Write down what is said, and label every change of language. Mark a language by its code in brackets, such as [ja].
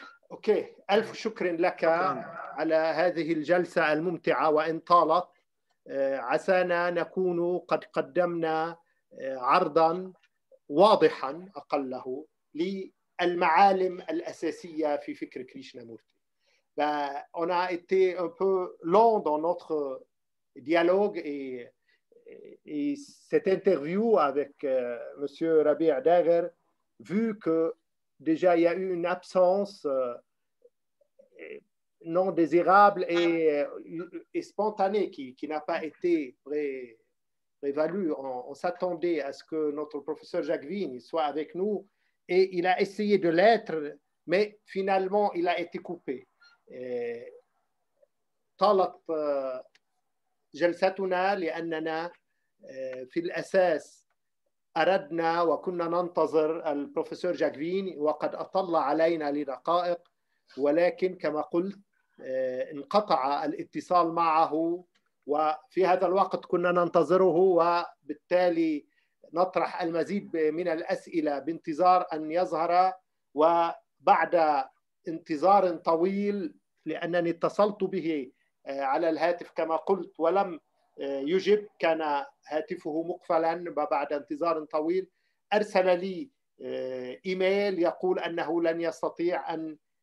[ar] أوكي، ألف شكر لك على هذه الجلسة الممتعة وإن طالت. عسانا نكون قد قدمنا عرضا واضحا أقله للمعالم الأساسية في فكر كريشنامورتي. [fr] On a été un peu long dans notre dialogue et cette interview avec Monsieur Rabih Dagher, vu que déjà il y a eu une absence non désirable et spontanée qui n'a pas été prévalue. On s'attendait à ce que notre professeur Jacques Vigne soit avec nous et il a essayé de l'être, mais finalement il a été coupé. [ar] طالت جلستنا لأننا في الأساس أردنا وكنا ننتظر البروفيسور جاكفين وقد أطل علينا لدقائق، ولكن كما قلت انقطع الاتصال معه، وفي هذا الوقت كنا ننتظره، وبالتالي نطرح المزيد من الأسئلة بانتظار أن يظهر، وبعد انتظار طويل لأنني اتصلت به على الهاتف كما قلت ولم يجب، كان هاتفه مقفلاً، بعد انتظار طويل أرسل لي إيميل يقول أنه لن يستطيع أن